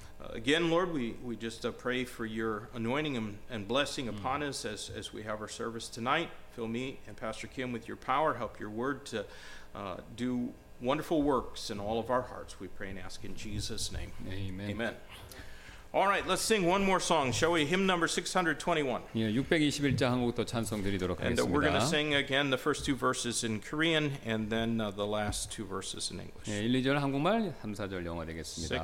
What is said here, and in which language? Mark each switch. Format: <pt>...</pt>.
<en>Again, Lord, we just pray for your anointing and blessing upon us as we have our service tonight. Fill me and Pastor Kim with your power. Help your word to do wonderful works in all of our hearts, we pray and ask in Jesus' name. Amen. Amen. All right, let's sing one more song, shall we? Hymn number 621.</en> <ko>621자 한 곡도 찬송 드리도록 하겠습니다.</ko> <en>And we're going to sing again the first two verses in Korean and then the last two verses in English.</en> <ko>예, 1, 2절 한국말, 3, 4절 영어 되겠습니다.</ko>